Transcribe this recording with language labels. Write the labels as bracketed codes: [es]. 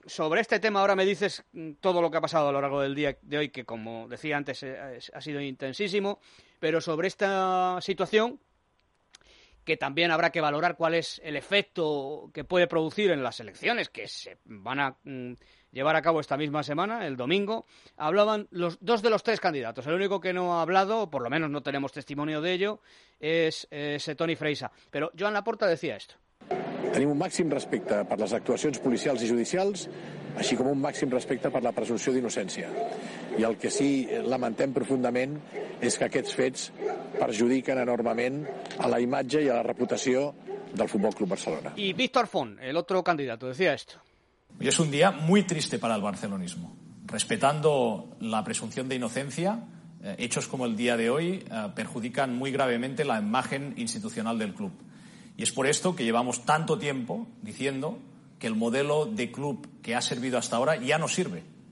[es] Sobre este tema ahora me dices todo lo que ha pasado a lo largo del día de hoy, que como decía antes ha sido intensísimo, pero sobre esta situación, que también habrá que valorar cuál es el efecto que puede producir en las elecciones que se van a llevar a cabo esta misma semana, el domingo, hablaban los dos de los tres candidatos. El único que no ha hablado, o por lo menos no tenemos testimonio de ello, es ese Toni Freixa. Pero Joan Laporta decía esto. [ca] Tenim un màxim respecte per les actuacions policials i judicials, així com un màxim respecte per la presumpció d'innocència. I el que sí lamentem profundament és que aquests fets perjudiquen enormement a la imatge i a la reputació del Futbol Club Barcelona. [es] I Víctor Font, el otro candidato, decía esto. Hoy es un día muy triste para el barcelonismo. Respetando la presunción de inocencia, hechos como el día de hoy perjudican muy gravemente la imagen institucional del club. Y es por esto que llevamos tanto tiempo diciendo que el modelo de club que ha servido hasta ahora ya no sirve.